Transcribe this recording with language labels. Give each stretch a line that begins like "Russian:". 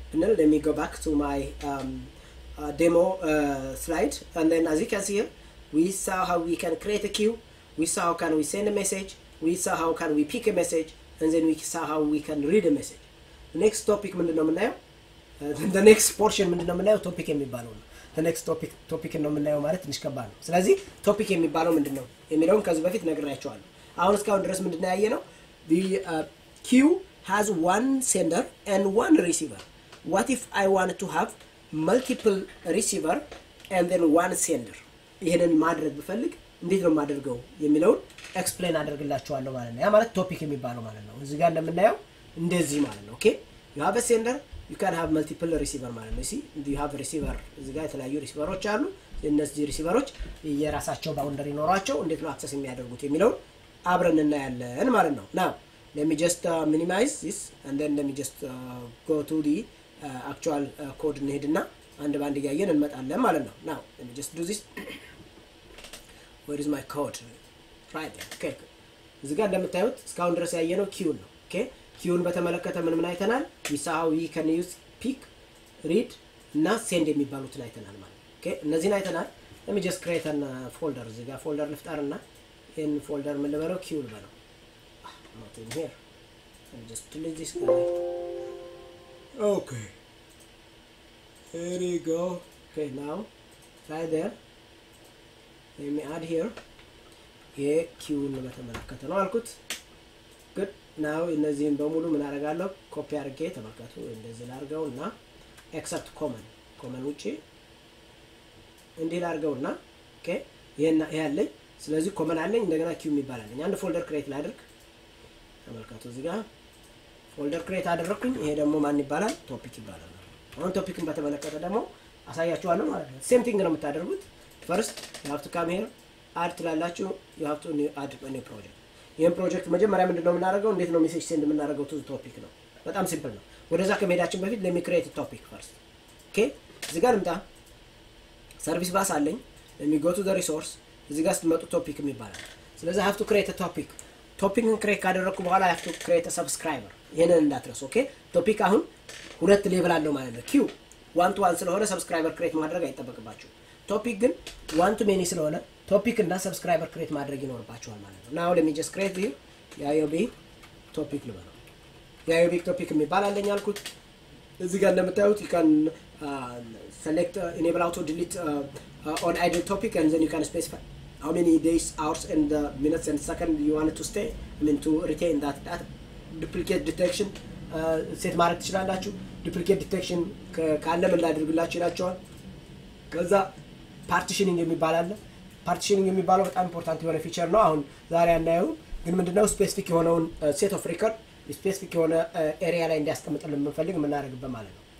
Amharic: እንል
English: let me go back to my demo slide and then as you can see here, we saw how we can create a queue, we saw how can we send a message, we saw how can we pick a message, and then we saw how we can read a message. The next topic
Amharic: ምንድነው ምናየው?
English: The next portion ምንድነው ምናየው?
Amharic: Topic የሚባለው ነው.
English: The next topic
Amharic: ነው ምናየው ማለት ትንሽ ከባድ ነው. ስለዚህ topic የሚባለው ምንድነው? የሚለውን ከዚህ በፊት ነግራችኋለሁ. አሁን እስካሁን ድረስ ምንድነው ያየነው?
English: The queue has one sender and one receiver. What if I wanted to have multiple receiver and then one sender?
Amharic: ይሄንን ማድረግ ብፈልግ እንዴት ነው ማድረገው የሚለውን
English: explain
Amharic: አደርግላችኋለሁ ማለት ነው። ያ ማለት topic የሚባለው ማለት ነው. እዚህ ጋር እንደምናየው እንደዚህ ማለት ነው. ኦኬ?
English: You have a sender, you can have multiple receiver
Amharic: ማለት ነው.
English: See? You have a receiver.
Amharic: እዚህ ጋር የተለያዩ ሪሲቨሮች አሉ. እነዚህ ሪሲቨሮች የራሳቸው boundary ኖሯቸው እንዴት ነው access የሚያደርጉት የሚለውን አብረን እናያለን ማለት ነው.
English: Now, let me just minimize this and then let me just go to the actual code needed now.
Amharic: አንድ ባንድ ያየን እንመጣለን ማለት ነው.
English: Now, let me just do this. Where is my code? Right there. Okay.
Amharic: እዚህ ጋር እንደምታዩት እስካሁን ድረስ ያየነው queue ነው.
English: Okay?
Amharic: queue-ን በተመለከተ ምን ምን አይተናል?
English: We saw how we can use pick, read,
Amharic: እና send የሚባሉትን አይተናል ማለት ነው.
English: Okay?
Amharic: እነዚህን አይተናል.
English: Let me just create a folder.
Amharic: እዚህ ጋር folder ልፍጠርና ይሄን folder ምን ልበለው? queue ልበለው. Not in here.
English: Let me just delete this guy. Okay. Here you go. Okay, now right there. Let me add here. Yeah,
Amharic: queue በተመለከተ ነው አልኩት. Good. Now እነዚህን በሙሉ ምን አረጋለሁ? ኮፒ አርጌ ተመልከቱ እንደዚህ ላርገውና
English: except common.
Amharic: Common ውጪ እንዴ ላርገውና okay? ይሄና ይሄ አለኝ. ስለዚህ common አለኝ እንደገና queue ይባላልኝ. አንድ folder create ላድርግ. ተመልከቱ እዚህ ጋር folder create አደረኩኝ. ይሄ ደግሞ ማን ይባላል? topic ይባላል. አሁን topicን በተመለከተ ደግሞ አሳያችኋለሁ ማለት ነው.
English: Same thing
Amharic: ነው የምታደርጉት.
English: First, you have to come here, add to lalachu, you have to add a new project.
Amharic: ይሄን ፕሮጀክት መጀመሪያ ምን እንደምናደርገው እንዴት ነው ሜሴጅ ሴንድ የምናደርገው ቱ ቶፒክ ነው. በጣም ሲምፕል ነው. ወደዛ ከመሄዳችን በፊት
English: let me create a topic first. Okay?
Amharic: እዚህ ጋር እንጣ ሰርቪስ ባስ አለኝ.
English: Let me go to the resource.
Amharic: እዚህ ጋር ስትመጡ topic የሚባለው. ስለዚህ
English: I have to create a topic. Topic-ን create
Amharic: ካደረኩ በኋላ
English: I have to create a subscriber.
Amharic: ይሄንን እንዳትረሱ. Okay? topic አሁን ሁለት ሌቭል አለው ማለት ነው. queue
English: one to one
Amharic: ስለሆነ subscriber create ማድረግ አይጠበቅባችሁም. topic ግን
English: one to many
Amharic: ስለሆነ topic እና subscriber create ማድረግ ይኖርባችኋል ማለት ነው.
English: now let me just create the yob topic
Amharic: ልበለው. yob topic የሚባል አለኝ አልኩት.
English: እዚህ ጋር እንደምታዩት you can select enable auto delete on idle topic and then you can specify how many days, hours and the minutes and seconds you want to stay, I mean to retain that duplicate detection
Amharic: set ማድረግ ትችላላችሁ. duplicate detection ካለ ምን ላድርግላችሁ ይላችኋል. ከዛ partitioning የሚባል አለ. partitioning የሚባለው በጣም ኢምፖርታንት የሆነ ፊቸር ነው. አሁን ዛሬ አናየው ግን ምንድነው ስፔሲፊክ የሆነውን set of record ስፔሲፊክ የሆነ area ላይ እንዲያስቀምጥልን የምንፈልግ እናደርግበት ማለት ነው.